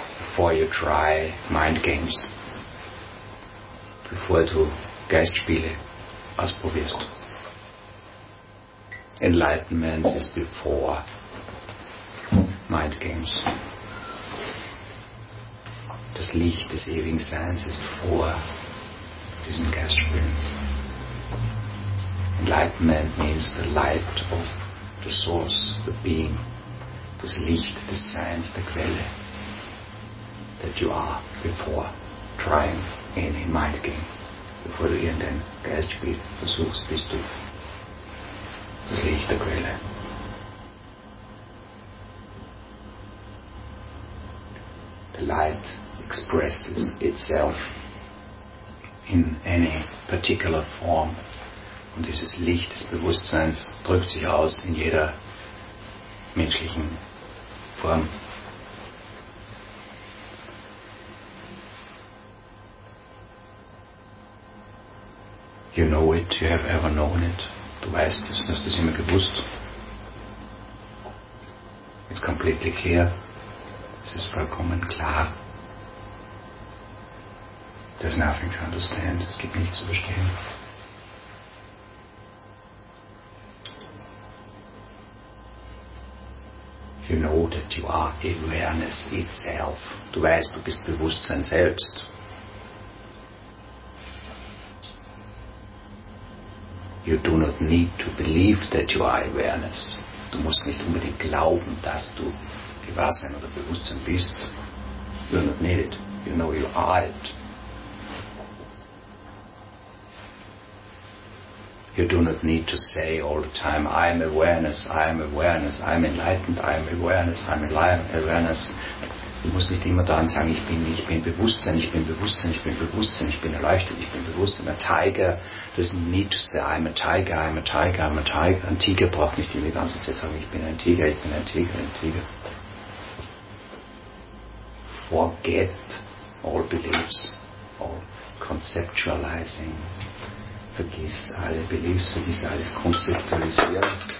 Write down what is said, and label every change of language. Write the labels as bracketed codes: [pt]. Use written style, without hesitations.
[en] Before you try mind games, [de] bevor du Geistspiele ausprobierst. [en] Enlightenment is before mind games. [de] Das Licht des ewigen Seins ist vor diesen Geistspielen. [en] Enlightenment means the light of the source, the being. [de] Das Licht des Seins, der Quelle. [en] That you are before trying any mind game. [de] Bevor du irgendein Geistspiel versuchst, bist du das Licht der Quelle. [en] The light expresses itself in any particular form. [de] Und dieses Licht des Bewusstseins drückt sich aus in jeder menschlichen Form. [en] You know it, you have ever known it. [de] Du weißt es, du hast es immer gewusst. [en] It's completely clear. [de] Es ist vollkommen klar. [en] There's nothing to understand. [de] Es gibt nichts zu verstehen. [en] You know that you are awareness itself. [de] Du weißt, du bist Bewusstsein selbst. [en] You do not need to believe that you are awareness. [de] Du musst nicht unbedingt glauben, dass du Gewahrsein oder Bewusstsein bist. [en] You do not need it. You know you are it. You do not need to say all the time, I am awareness, I am awareness, I am enlightened, I am awareness, I am awareness. [de] Du musst nicht immer daran sagen, ich bin Bewusstsein, ich bin Bewusstsein, ich bin Bewusstsein, ich bin erleuchtet, ich bin Bewusstsein. [en] A tiger doesn't need to say, I'm a tiger, I'm a tiger, I'm a tiger. [de] Ein Tiger braucht nicht die ganze Zeit sagen, ich bin ein Tiger, ich bin ein Tiger, ein Tiger. [en] Forget all beliefs, all conceptualizing. [de] Vergiss alle Beliefs, vergiss alles konzeptualisieren.